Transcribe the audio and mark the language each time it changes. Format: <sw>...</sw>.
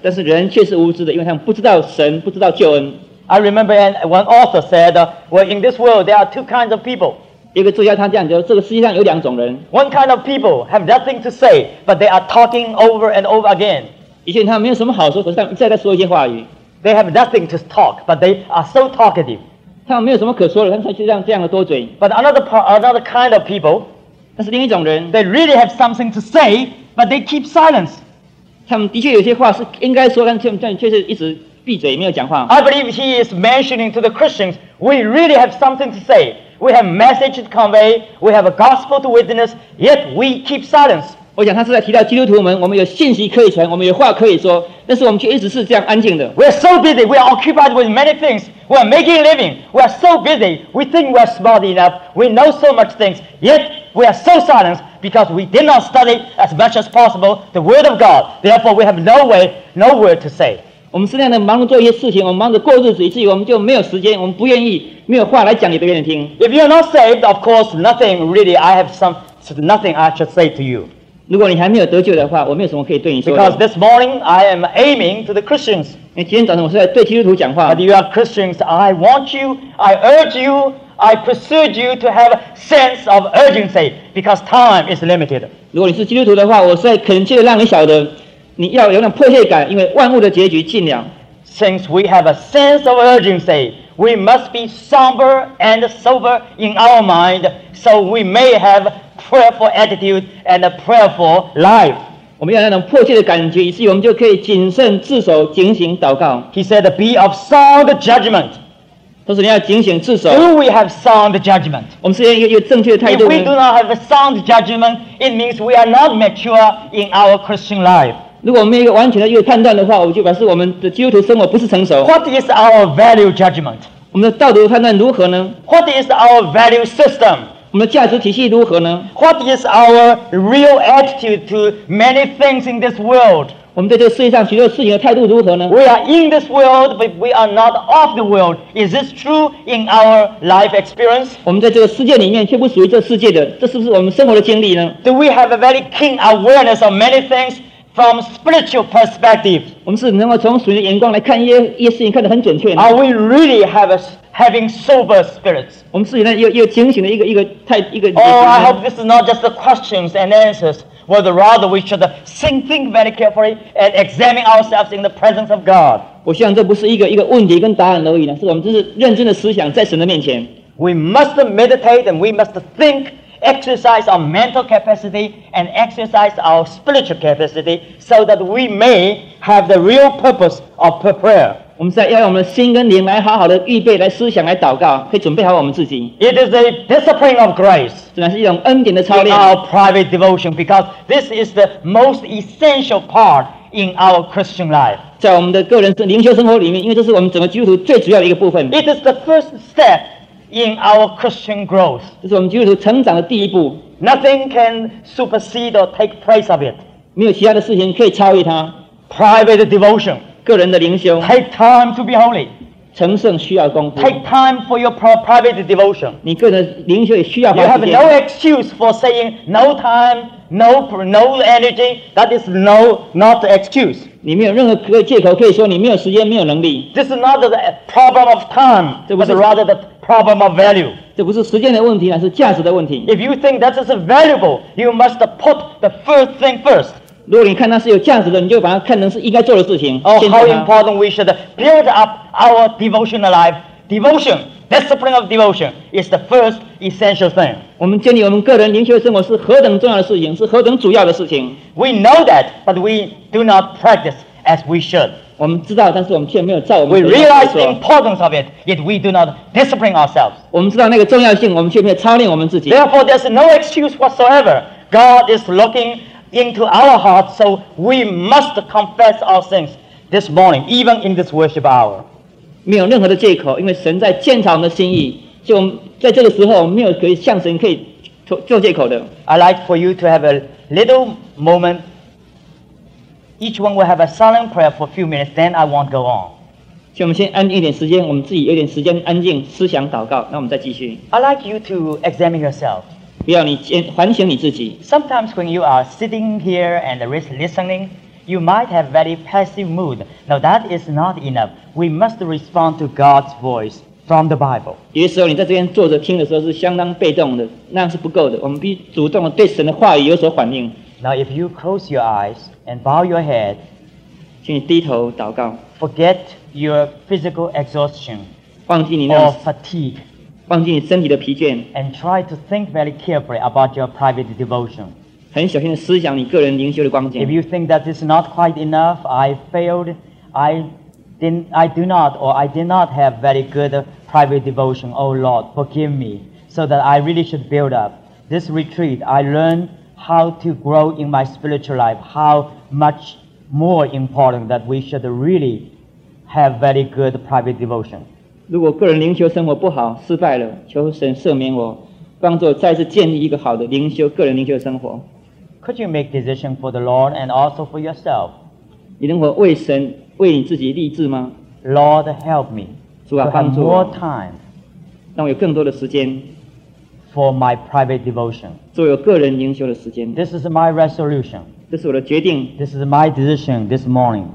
<zh>但是人却是无知的，因为他们不知道神，不知道救恩。</zh> <en>I remember one author said, "Well, in this world, there are two kinds of people."</en> <zh>一个作家他这样说：这个世界上有两种人。</zh> <en>One kind of people have nothing to say, but they are talking over and over again.</en> <zh>以前他们没有什么好说，可是他们再在说一些话语。</zh> <en>They have nothing to talk, but they are so talkative.</en> <zh>他们没有什么可说的，他们就这样的多嘴。</zh> <en>But another kind of people,</en> <zh>但是另一种人</zh> <en>，they really have something to say, but they keep silence.</en> <zh>他们的确有些话是应该说，但是他们却是一直闭嘴，没有讲话。</zh> <en>I believe he is mentioning to the Christians, we really have something to say. We have message to convey. We have a gospel to witness. Yet we keep silence.</en> <zh>我想他是在提到基督徒们，我们有信息可以传，我们有话可以说，但是我们却一直是这样安静的。</zh> <en>We are so busy. We are occupied with many things. We are making a living. We are so busy. We think we are smart enough. We know so much things. Yet, we are so silenced because we did not study as much as possible the Word of God. Therefore, we have no word to say.</en> <zh>我们是那样的忙碌做一些事情，我们忙着过日子，以至于我们就没有时间，我们不愿意，没有话来讲给别人听。</zh> <en>If you're not saved, of course, nothing really. I have some nothing I should say to you.</en> <zh>如果你还没有得救的话，我没有什么可以对你说的。</zh> <en>Because this morning I am aiming to the Christians.</en> <zh>因为今天早上我是在对基督徒讲话。</zh> <en>But you are Christians. I want you. I urge you. I pursued you to have a sense of urgency because time is limited.</en> <zh>如果你是基督徒的话，我是在恳切的让你晓得。你要有那迫切感，因为万物的结局近了。</zh> <en>Since we have a sense of urgency, we must be somber and sober in our mind, so we may have prayerful attitude and a prayerful life.</en> <zh>我们要有那种迫切的感觉，以至于我们就可以谨慎自守、警醒祷告。</zh> <en>He said, "Be of sound judgment."</en> <zh>他说你要警醒自守。</zh> <en>Do we have sound judgment?</en> <zh>我们是有正确的态度。</zh> <en>If we do not have a sound judgment, it means we are not mature in our Christian life.</en> <zh>如果我们没有一个完全的一个判断的话，我就表示我们的基督徒生活不是成熟。</zh> <en>What is our value judgment?</en> <zh>我们的道德判断如何呢</zh> <en>？What is our value system?</en> <zh>我们的价值体系如何呢</zh> <en>？What is our real attitude to many things in this world?</en> <zh>我们对这个世界上许多事情的态度如何呢</zh> <en>？We are in this world, but we are not of the world. Is this true in our life experience?</en> <zh>我们在这个世界里面却不属于这世界的，这是不是我们生活的经历呢</zh> <en>？Do we have a very keen awareness of many things? From spiritual perspective,</en> <zh>我们是能够从属灵的眼光来看一些事情，看得很准确。</zh> <en>Are we really having sober spirits?</en> <zh>我们是有警醒的一个。</zh> <en>Oh, I hope this is not just the questions and answers, but rather we should think very carefully and examine ourselves in the presence of God.</en> <zh>我希望这不是一个问题跟答案而已呢，是我们真是认真的思想在神的面前。</zh> <en>We must meditate and we must think. Exercise our mental capacity and exercise our spiritual capacity so that we may have the real purpose of prayer.</en> <zh>我们在要用我们的心跟灵来好好的预备，来思想，来祷告，可以准备好我们自己。</zh> <en>It is a discipline of grace.</en> <zh>这乃是一种恩典的操练。</zh> <en>In our private devotion, because this is the most essential part in our Christian life.</en> <zh>在我们的个人灵修生活里面，因为这是我们整个基督徒最主要的一个部分。</zh> <en>It is the first step. In our Christian growth,</en> <zh>这是我们基督徒成长的第一步。</zh> <en>Nothing can supersede or take place of it.</en> <zh>没有其他的事情可以超越它。</zh> <en>Private devotion,</en> <zh>个人的灵修。</zh> <en>Take time to be holy.</en> <zh>成圣需要功夫。</zh> <en>Take time for your private devotion.</en> <zh>你个人的灵修也需要花时间。</zh> <en>You have no excuse for saying no time, no energy. That is not an excuse.</en> <zh>你没有任何借口可以说你没有时间、没有能力。</zh> <en>This is not the problem of time, but rather the problem of value.</en> <zh>这不是时间的问题，而是价值的问题。</zh> <en>If you think that is valuable, you must put the first thing first.</en> <zh>如果你看它是有价值的，你就把它看成是应该做的事情。</zh> <en>Oh, how important we should build up our devotional life. Devotion, discipline of devotion, is the first essential thing.</en> <zh>我们建立我们个人灵修生活是何等重要的事情，是何等主要的事情。</zh> <en>We know that, but we do not practice as we should.</en> <zh>我们知道，但是我们却没有照我们的。</zh> <en>We realize the importance of it, yet we do not discipline ourselves.</en> <zh>我们知道那个重要性，我们却没有操练我们自己。</zh> <en>Therefore, there's no excuse whatsoever. God is looking into our hearts, so we must confess our sins this morning, even in this worship hour.</en> <zh>没有任何的借口，因为神在鉴察我们的心意，所以我们在这个时候，我们没有可以向神可以做借口的。</zh> <en>I'd like for you to have a little moment. Each one will have a silent prayer for a few minutes, then I won't go on.</en> <zh>请我们先安静一点时间，我们自己有点时间安静思想祷告，那我们再继续。</zh> <en>I'd like you to examine yourself.</en> <zh>不要你反省你自己。</zh> <en>Sometimes when you are sitting here and listening, you might have a very passive mood. Now that is not enough. We must respond to God's voice from the Bible.</en> <zh>有些时候你在这边坐着听的时候是相当被动的，那样是不够的。我们必主动地对神的话语有所反应。</zh> <en>Now if you close your eyes,And bow your head.</en> <zh>请你低头祷告。</zh> <en>Forget your physical exhaustion.</en> <zh>忘记你那</zh> <en>or fatigue.</en> <zh>忘记你身体的疲倦。</zh> <en>And try to think very carefully about your private devotion.</en> <zh>很小心地思想你个人灵修的光景。</zh> <en>If you think that is not quite enough, I failed, I did not have very good private devotion. Oh Lord, forgive me, so that I really should build up this retreat. I learned. How to grow in my spiritual life, how much more important that we should really have very good private devotion.</en> <zh>如果个人灵修生活不好，失败了，求神赦免我，帮助我再次建立一个好的灵修，个人灵修生活。</zh> <en>Could you make decision for the Lord and also for yourself?</en> <zh>你能否为神为你自己立志吗</zh> <en>？Lord, help me.</en> <zh>主啊，帮助我。</zh> <en>More time.</en> <zh>让我有更多的时间。</zh> <en>For my private devotion.</en> <zh>做有个人灵修的时间。</zh> <en>This is my resolution.</en> <zh>这是我的决定。</zh> <en>This is my decision this morning.</en>